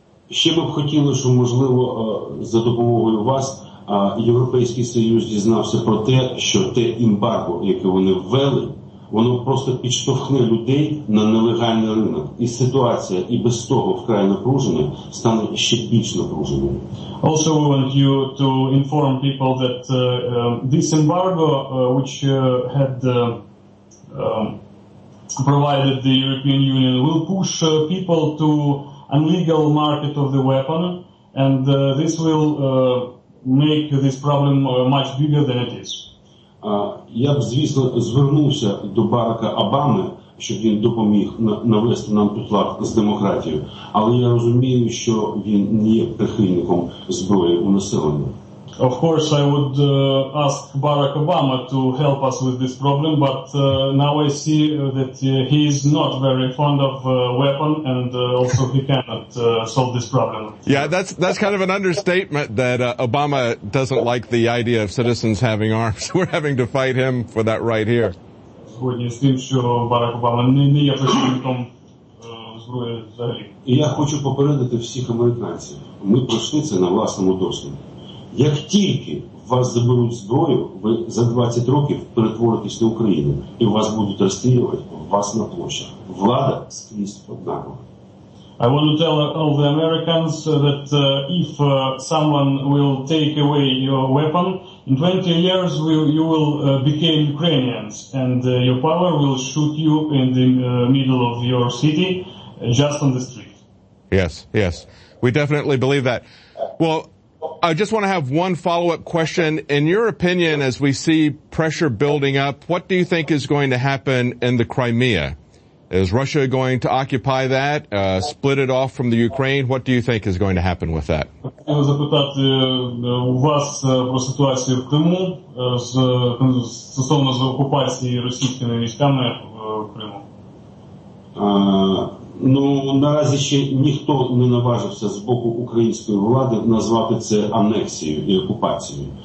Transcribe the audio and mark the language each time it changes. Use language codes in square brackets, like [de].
[uk] Ще ми б хотіли, щоб, можливо, за допомогою вас Європейський Союз дізнався про те, що те ембарго, яке вони ввели, воно просто підштовхне людей на нелегальний ринок. І ситуація і без того вкрай напружена, стане ще більш напруженою. [en] Also, we want you to inform people that this embargo, which had provided the European Union, will push people to illegal market of the weapon, and this will make this problem much bigger than it is. [uk] Я б, звісно, звернувся до Барака Обами, щоб він допоміг навести нам тут лад з демократією, але я розумію, що він не є прихильником зброї у населення. [en] Of course, I would ask Barack Obama to help us with this problem, but now I see that he is not very fond of weapon, and also he cannot solve this problem. Yeah, that's kind of an understatement that Obama doesn't like the idea of citizens having arms. We're having to fight him for that right here. [uk] Сьогодні з тим, що Барак Обама не є прихильником зброї взагалі. Я хочу попередити всіх американців. Ми пройшли це на власному досвіді. Як тільки вас заберуть зброю, ви за 20 років перетворитесь на Україну, і вас будуть розстрілювати вас на площах. Влада скрізь однакова. [en] I want to tell all the Americans that if someone will take away your weapon, in 20 years you will become Ukrainians, and your power will shoot you in the middle of your city, just on the street. Yes, yes. We definitely believe that. Well, I just want to have one follow-up question. In your opinion, as we see pressure building up, what do you think is going to happen in the Crimea? Is Russia going to occupy that, split it off from the Ukraine? What do you think is going to happen with that? [uk] Я хочу запитати вас про ситуацію в Криму з стосовно окупації російськими військами в Криму. Ну, наразі ще ніхто не наважився з боку української влади назвати це анексією і окупацією.